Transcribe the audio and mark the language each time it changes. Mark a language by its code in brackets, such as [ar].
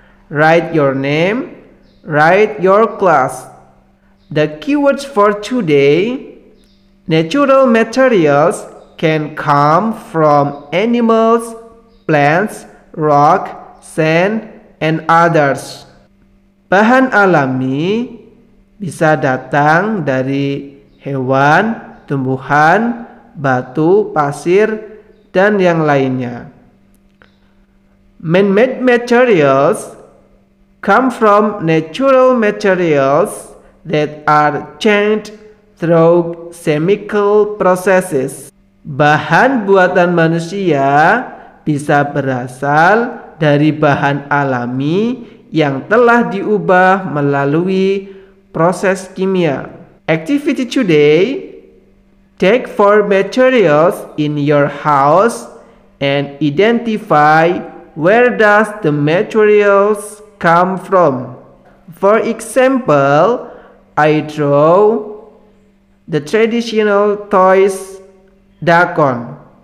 [en] Write your name, write your class. The keywords for today: natural materials can come from animals, plants, rock, sand, and others. [id] Bahan alami bisa datang dari hewan, tumbuhan, batu, pasir, dan yang lainnya. [en] Man-made materials come from natural materials that are changed through chemical processes. [id] Bahan buatan manusia bisa berasal dari bahan alami yang telah diubah melalui proses kimia. [en] Activity today, take 4 materials in your house and identify where does the materials come from. For example, I draw the traditional toys dakon.